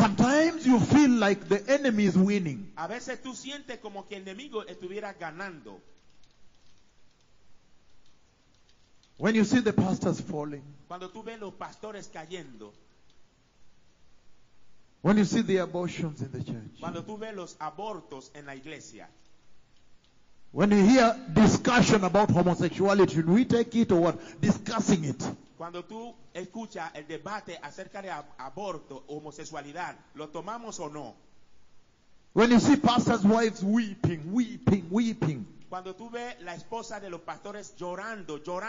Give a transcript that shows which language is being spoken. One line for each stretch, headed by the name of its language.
English: sometimes you feel like the enemy is winning.
Spanish: A veces tú sientes como que el enemigo estuviera ganando.
English: When you see the pastors falling,
Spanish: cuando tú ves los pastores cayendo,
English: when you see the abortions in the church,
Spanish: cuando tú ves los abortos en la iglesia,
English: when you hear discussion about homosexuality, should we take it or what? Discussing it.
Spanish: Cuando tú escuchas el debate acerca de aborto, homosexualidad, ¿lo tomamos o no?
English: When you see pastors' wives weeping.
Spanish: Cuando tú ves la esposa de los pastores llorando.